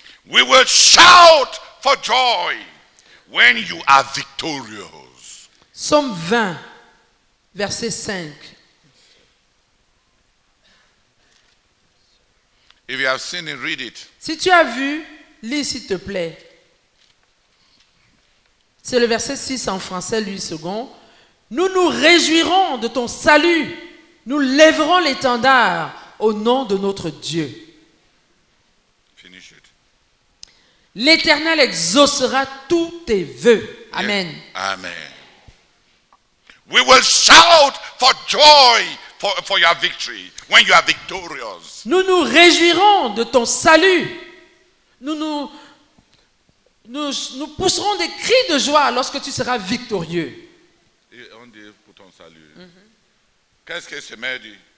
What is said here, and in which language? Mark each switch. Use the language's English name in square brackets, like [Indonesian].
[English] We will shout for joy when you are victorious. [French] Psaume 20, verset 5. [English] If you have seen it, read it. [French] Si tu as vu, lis s'il te plaît. C'est le verset 6 en français, lui second. Nous nous réjouirons de ton salut. Nous lèverons l'étendard au nom de notre Dieu. [English] Finish it. [French] L'Éternel exaucera tous tes vœux. Amen. [English] Yeah. Amen. We will shout for joy for your victory when you are victorious. [French] Nous nous réjouirons de ton salut. Nous pousserons des cris de joie lorsque tu seras victorieux. Et on dit pour ton salut. Mm-hmm. Qu'est-ce que ce maire dit?